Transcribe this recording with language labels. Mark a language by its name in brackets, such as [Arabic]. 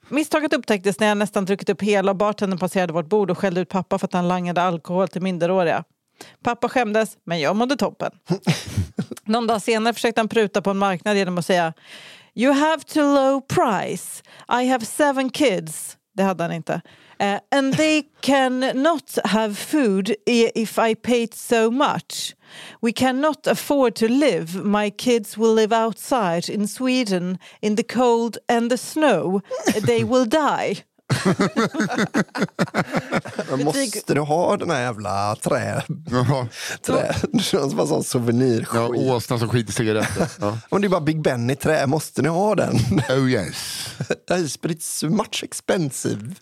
[Swedish] Misstaget upptäcktes när jag nästan druckit upp hela och bartendern passerade vårt bord och skällde ut pappa för att han langade alkohol till minderåriga. Pappa skämdes, men jag mådde toppen. Någon dag senare försökte han pruta på en marknad genom att säga [English] "You have to low price. I have 7 kids." [Swedish] Det hade han inte. [English] "And they cannot have food if I paid so much. We cannot afford to live. My kids will live outside in Sweden in the cold and the snow. They will die." [Swedish] Men måste du ha den här jävla trä? Trä. Du känns bara sån souvenir. Ja, åsna som skiter cigaretter. Om det är bara Big Ben i trä, måste ni ha den? [English] Oh yes. [Swedish] Det är spritt så [English] much expensive.